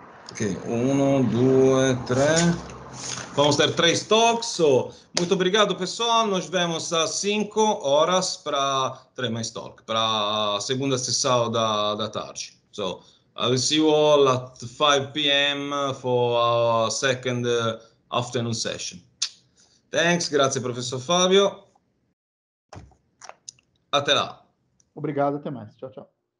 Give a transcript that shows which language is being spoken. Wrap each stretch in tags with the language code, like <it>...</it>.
<pt>Ok, 1, 2, 3. Vamos ter 3 talks. Muito obrigado, pessoal. Nos vemos às 5 horas para 3 mais talks, para a segunda sessão da tarde.</pt> <en>So, I'll see you all at 5 p.m. for our second afternoon session. Thanks.</en> <pt>Grazie, professor Fábio. Até lá. Obrigado. Até mais. Tchau, tchau.</pt>